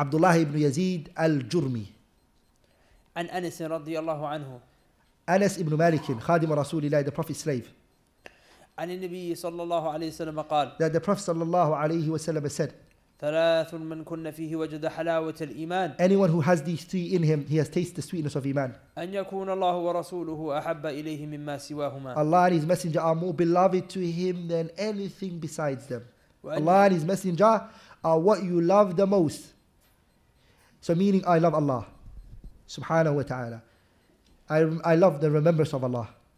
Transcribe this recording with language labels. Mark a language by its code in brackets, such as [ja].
[ar] عبد الله ابن يزيد الجرمي. عن أنس رضي الله عنه. أنس ابن مالك خادم رسول الله, [en] the prophet's slave. [ar] عن النبي صلى الله عليه وسلم قال. [en] That the prophet صلى الله عليه وسلم said. [ar] ثلاث من كن فيه وجد حلاوة الإيمان. [en] Anyone who has these three in him, he has tasted the sweetness of iman. [ar] أن يكون الله ورسوله أحب إليه مما سواهما. [en] Allah and His Messenger are more beloved to him than anything besides them. Allah and His Messenger are what you love the most. So meaning, I love Allah, سبحانه وتعالى. I love the remembrance of Allah.